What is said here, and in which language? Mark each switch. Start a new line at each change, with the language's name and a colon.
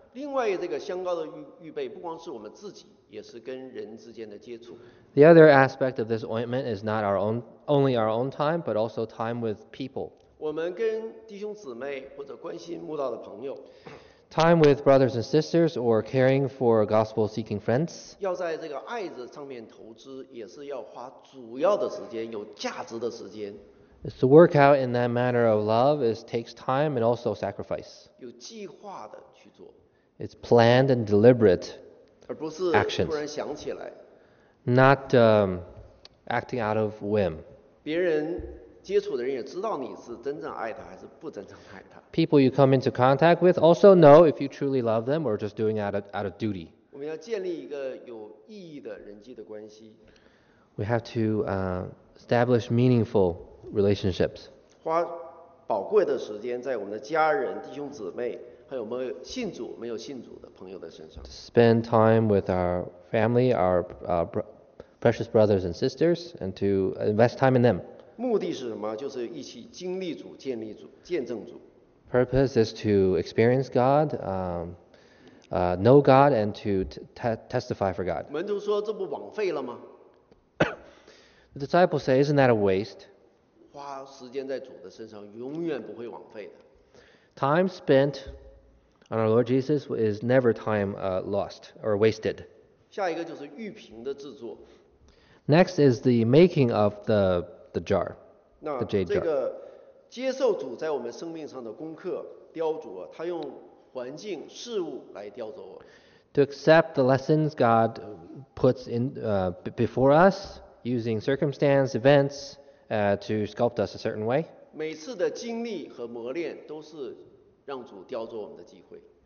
Chinese: 另外，这个香膏的预备不光是我们自己，也是跟人之间的接触。
English: The other aspect of this ointment is not only our own time, but also time with people.
Chinese: 我们跟弟兄姊妹或者关心慕道的朋友。
English: Time with brothers and sisters or caring for gospel seeking friends.
Chinese: 要在这个爱子上面投资，也是要花主要的时间，有价值的时间。
English: It's to work out in that manner of love. It takes time and also sacrifice.
Chinese: 有计划的去做。
English: It's planned and deliberate actions.
Chinese: 而不是突然想起来。
English: Not acting out of whim.
Chinese: 别人接触的人也知道你是真正爱他还是不真正爱他。
English: People you come into contact with also know if you truly love them or just doing out of duty.
Chinese: 我们要建立一个有意义的人际的关系。
English: We have to establish meaningful relationships.
Chinese: 花宝贵的时间在我们的家人、弟兄姊妹，还有我们信主没有信主的朋友的身上。
English: Spend time with our family, our precious brothers and sisters, and to invest time in them.
Chinese: 目的是什么？就是一起经历主、建立主、见证主。
English: Purpose is to experience God, know God, and to testify for God.
Chinese: 门徒说：“这不枉费了吗？”
English: The disciples say, "Isn't that a waste?"
Chinese: 花时间在主的身上，永远不会枉费的。
English: Time spent on our Lord Jesus is never time lost or wasted.
Chinese: 下一个就是玉瓶的制作。
English: Next is the making of the jar, the jade jar.
Chinese: 那这个接受主在我们生命上的功课，雕琢，他用环境事物来雕琢我。
English: To accept the lessons God puts in before us, using circumstance, events, to sculpt us a certain way.
Chinese: 每次的经历和磨练都是让主雕琢我们的机会。